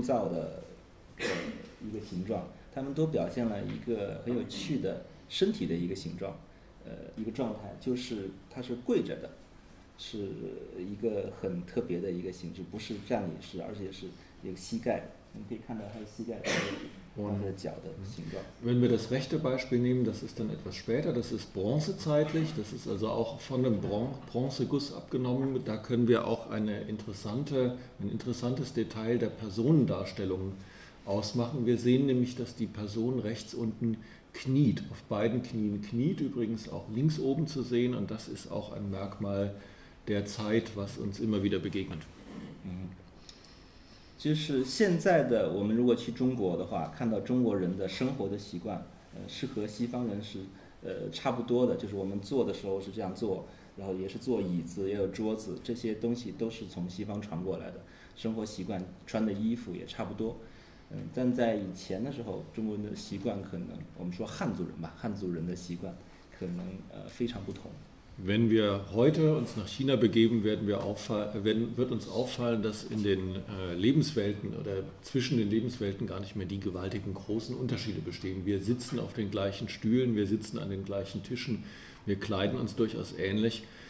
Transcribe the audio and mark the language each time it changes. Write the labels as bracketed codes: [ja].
[de] Und in [zh] 身体的一个形状，一个状态，就是它是跪着的，是一个很特别的一个形式，不是站立式，而且是一个膝盖，你可以看到它的膝盖，它的脚的形状。 [de] Wenn wir das rechte Beispiel nehmen, das ist dann etwas später, das ist bronzezeitlich, das ist also auch von dem Bronzeguss abgenommen, da können wir auch ein interessantes Detail der Personendarstellung ausmachen. Wir sehen nämlich, dass die Person rechts untenkniet, auf beiden Knien kniet, übrigens auch links oben zu sehen, und das ist auch ein Merkmal der Zeit, was uns immer wieder begegnet. [zh] 就是现在的，我们如果去中国的话，看到中国人的生活的习惯，是和西方人是差不多的，就是我们坐的时候是这样坐，然后也是坐椅子，也有桌子，这些东西都是从西方传过来的，生活习惯，穿的衣服也差不多。但在以前的时候，中国人的习惯可能，我们说汉族人吧，汉族人的习惯可能非常不同。 [de] Wenn wir heute uns nach China begeben, wird uns auffallen, dass in den Lebenswelten oder zwischen den Lebenswelten gar nicht mehr die gewaltigen großen Unterschiede bestehen. Wir sitzen auf den gleichen Stühlen, wir sitzen an den gleichen Tischen, wir kleiden uns durchaus ähnlich.